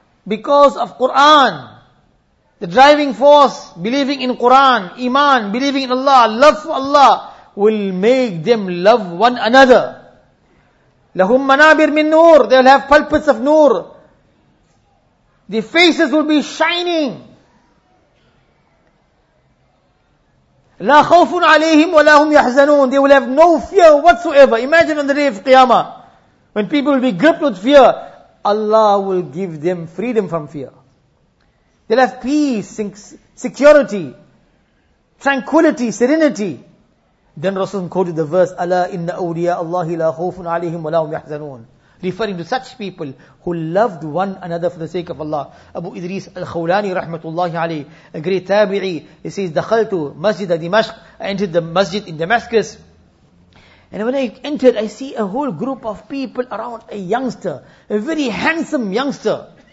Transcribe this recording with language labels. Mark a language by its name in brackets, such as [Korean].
[English] Because of Qur'an, the driving force, believing in Qur'an, iman, believing in Allah, love for Allah, will make them love one another. [Arabic] Lahum manabir min nur. [English] They will have pulpits of nur. The faces will be shining. [Arabic] لا خوف عليهم ولا هم يحزنون. [English] They will have no fear whatsoever. Imagine on the day of Qiyamah, when people will be gripped with fear, Allah will give them freedom from fear. They'll have peace, security, tranquility, serenity. Then Rasul quoted the verse, [Arabic] ألا إن أولياء الله لا خوف عليهم ولا هم يحزنون. [English] Referring to such people who loved one another for the sake of Allah. Abu Idris al-Khawlani rahmatullahi alayhi, a great tabi'i, he says, [Arabic] دخلت مسجد دمشق. [English] I entered the masjid in Damascus. And when I entered, I see a whole group of people around a youngster, a very handsome youngster.